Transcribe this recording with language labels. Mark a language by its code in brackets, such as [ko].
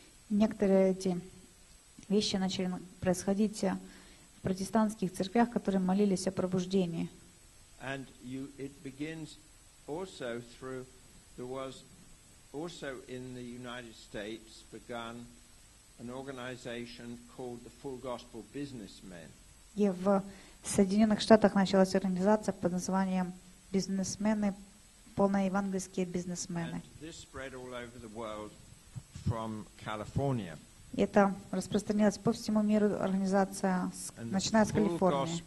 [ru] Некоторые эти вещи начали происходить в протестантских церквях, которые молились о пробуждении. [en] And it begins also through there was also in the United States begun. An organization called the Full Gospel Businessmen. [ru] И в Соединенных Штатах началась организация под названием бизнесмены, полноевангельские бизнесмены. [en] This spread all over the world from California. [ru] Это распространилось по всему миру, организация, начиная с Калифорнии.